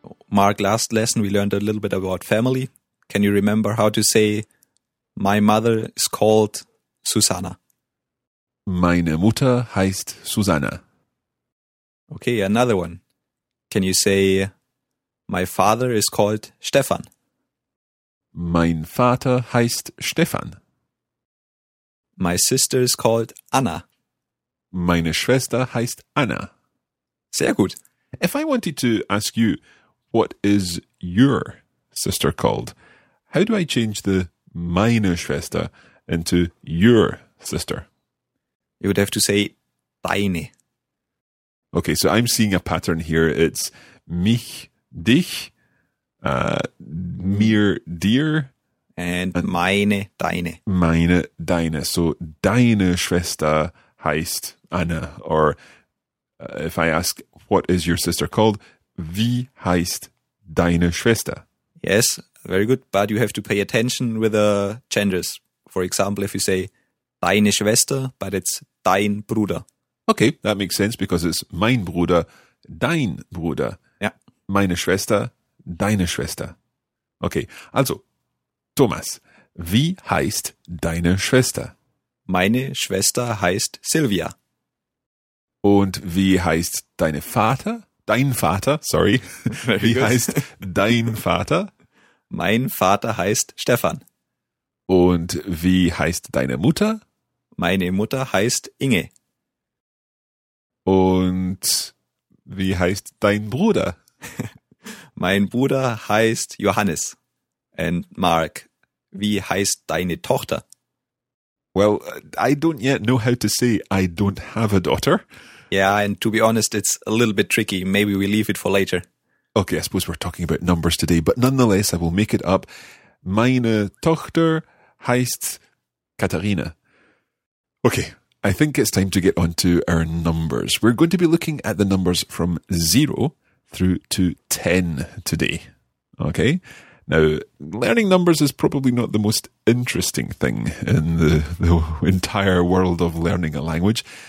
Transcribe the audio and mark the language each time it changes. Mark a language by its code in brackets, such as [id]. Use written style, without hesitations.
[en] Mark, last lesson we learned a little bit about family. Can you remember how to say, my mother is called Susanna? [de] Meine Mutter heißt Susanna. [en] Okay, another one. Can you say, my father is called Stefan? [de] Mein Vater heißt Stefan. [en] My sister is called Anna. [de] Meine Schwester heißt Anna. Sehr gut. [en] If I wanted to ask you, what is your sister called? How do I change the [de] meine Schwester [en] into your sister? You would have to say deine. Okay, so I'm seeing a pattern here. It's mich, dich, mir, dir. And meine, deine. [de] Meine, deine. So deine Schwester heißt Anna. [en] Or if I ask, what is your sister called? [de] Wie heißt deine Schwester? [en] Yes, very good. But you have to pay attention with the genders. For example, if you say [de] deine Schwester, [en] but it's [de] dein Bruder. [en] Okay, that makes sense because it's [de] mein Bruder, dein Bruder. [en] Yeah. [de] Meine Schwester, deine Schwester. Okay, also, Thomas, wie heißt deine Schwester? Meine Schwester heißt Silvia. Und wie heißt deine Vater? Dein Vater, sorry. Wie heißt dein Vater? Mein Vater heißt Stefan. Und wie heißt deine Mutter? Meine Mutter heißt Inge. Und wie heißt dein Bruder? Mein Bruder heißt Johannes. And Mark, wie heißt deine Tochter? [en] Well, I don't yet know how to say I don't have a daughter. Yeah, and to be honest, it's a little bit tricky. Maybe we leave it for later. Okay, I suppose we're talking about numbers today, but nonetheless, I will make it up. [de] Meine Tochter heißt Katharina. [en] Okay, I think it's time to get on to our numbers. We're going to be looking at the numbers from 0 through to 10 today. Okay, now, learning numbers is probably not the most interesting thing in the entire world of learning a language.